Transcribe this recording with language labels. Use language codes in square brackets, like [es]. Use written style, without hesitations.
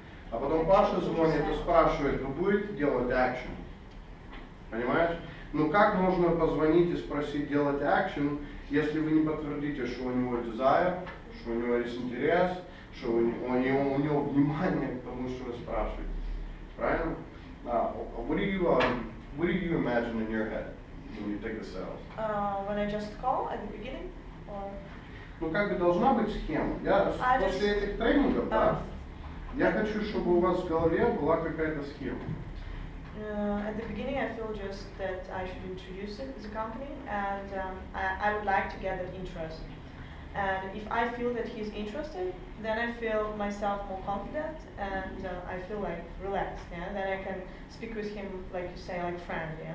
[ru] А потом Паша звонит и спрашивает, вы будете делать action? Понимаешь? Ну как можно позвонить и спросить делать action, если вы не подтвердите, что у него desire, что у него есть интерес, что у него внимание к тому, что вы спрашиваете? [en] Right? Now, what do you imagine in your head when you take the sales? When I just call at the beginning, or? [ru] Ну как бы должна быть схема. Я после этих тренингов, да. Я хочу, чтобы у вас в голове была какая-то схема. [en] At the beginning, I feel just that I should introduce it, the company, and I would like to get that interest. And if I feel that he's interested, then I feel myself more confident and I feel like relaxed, yeah? Then I can speak with him, like you say, like friend, yeah?